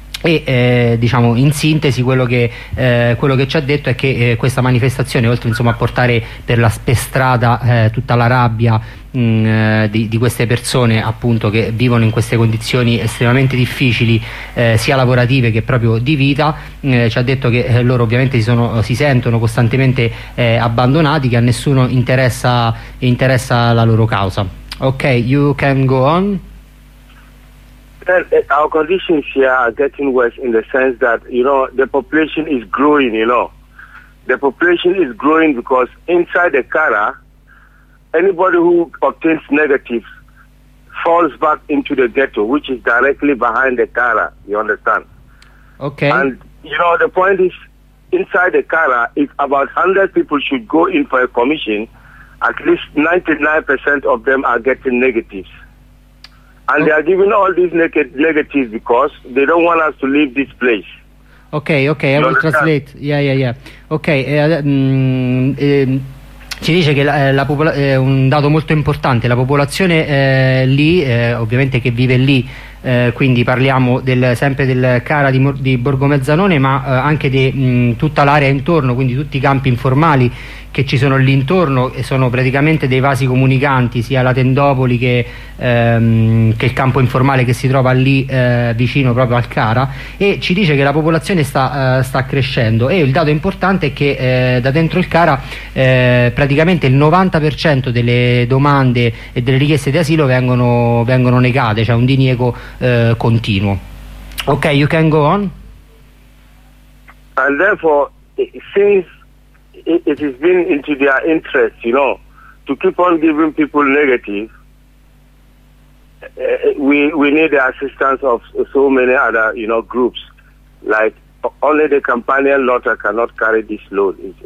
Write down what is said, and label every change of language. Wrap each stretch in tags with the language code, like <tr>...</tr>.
<it>E diciamo in sintesi quello che ci ha detto è che questa manifestazione, oltre insomma a portare per la strada tutta la rabbia di queste persone appunto che vivono in queste condizioni estremamente difficili, sia lavorative che proprio di vita, ci ha detto che loro ovviamente si sentono costantemente abbandonati, che a nessuno interessa la loro causa.</it> <en>Ok, you can go on. understand our conditions here are getting worse in the sense that, you know, the population is growing, you know. The population is growing because inside the CARA, anybody who obtains negative falls back into the ghetto, which is directly behind the CARA, you understand? Okay. And, you know, the point is, inside the CARA, if about 100 people should go in for a commission, at least 99% of them are getting negatives. And they are giving all these negatives because they don't want us to leave this place. Okay, I will translate. Yeah.</en> <it>Okay, ci dice che un dato molto importante, la popolazione lì, ovviamente che vive lì, quindi parliamo sempre del CARA di Borgo Mezzanone, ma anche di tutta l'area intorno, quindi tutti i campi informali che ci sono lì intorno, e sono praticamente dei vasi comunicanti, sia la Tendopoli che il campo informale che si trova lì vicino proprio al CARA, e ci dice che la popolazione sta crescendo, e il dato importante è che da dentro il CARA praticamente il 90% delle domande e delle richieste di asilo vengono negate, cioè un diniego continuo.</it> <en>Ok, you can go on. And therefore, since it has been into their interest, you know, to keep on giving people negative, we need the assistance of so many other, you know, groups. Like, only the Campanian Lotta cannot carry this load.</en>